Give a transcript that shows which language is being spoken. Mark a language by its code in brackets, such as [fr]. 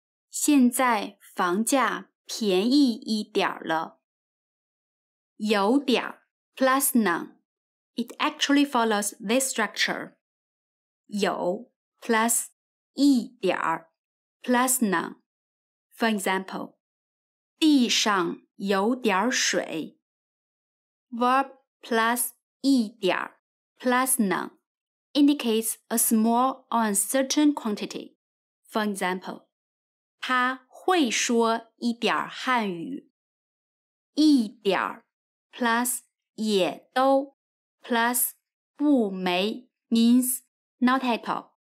[zh] 现在房价便宜一点了。 [en] 有点 plus none. It actually follows this structure. [zh] 有 plus 一点 plus none. [en] For example, [zh] 地上有点水。 [en] Verb plus 一点 plus none. Indicates a small or uncertain quantity. For example, [zh] 他会说一点汉语。一点 plus 也都 plus 不没 means not at all.